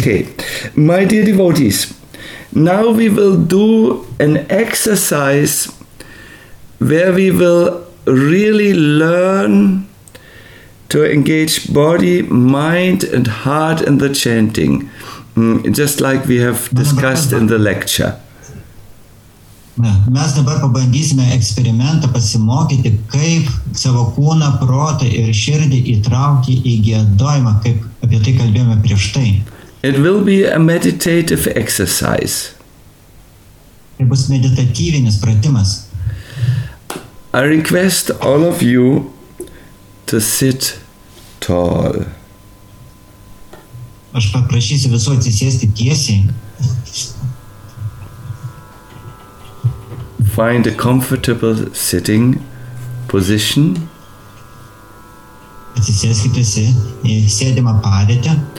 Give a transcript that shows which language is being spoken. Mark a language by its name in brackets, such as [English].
[English] Okay, my dear devotees, now we will do an exercise where we will really learn to engage body, mind, and heart in the chanting, just like we have discussed in the lecture. [Lithuanian] Mes dabar pabandysime eksperimentą pasimokyti, kaip savo kūną, protą ir širdį įtraukti į giedojimą, kaip apie tai kalbėjome prieš tai. [English] It will be a meditative exercise. [Lithuanian] Tai bus meditatyvinis pratimas. [English] I request all of you to sit tall. [Lithuanian] Aš paprašysiu visų atsisėsti tiesiai. [English] Find a comfortable sitting position. [Lithuanian] Atsisėskite į sėdimą padėtį.